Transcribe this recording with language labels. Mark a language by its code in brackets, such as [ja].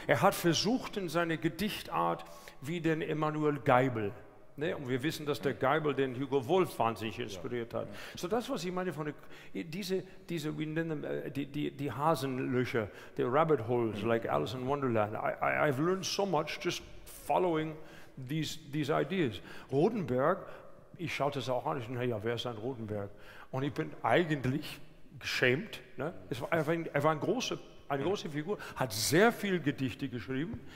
[de] Er hat versucht in seine Gedichtart wie den Emanuel Geibel. Ne? Und wir wissen, dass der Geibel den Hugo Wolf wahnsinnig inspiriert hat. So, das, was ich meine, von diese wir nennen [en] them, [de] die Hasenlöcher, die Rabbit Holes, [en] like Alice in Wonderland. I've learned so much just following these ideas. [de] Rodenberg, ich schaue das auch an, ich denke, naja, wer ist ein Rodenberg? Und ich bin eigentlich geschämt. Ne? Er war eine große Figur, hat sehr viel Gedichte geschrieben.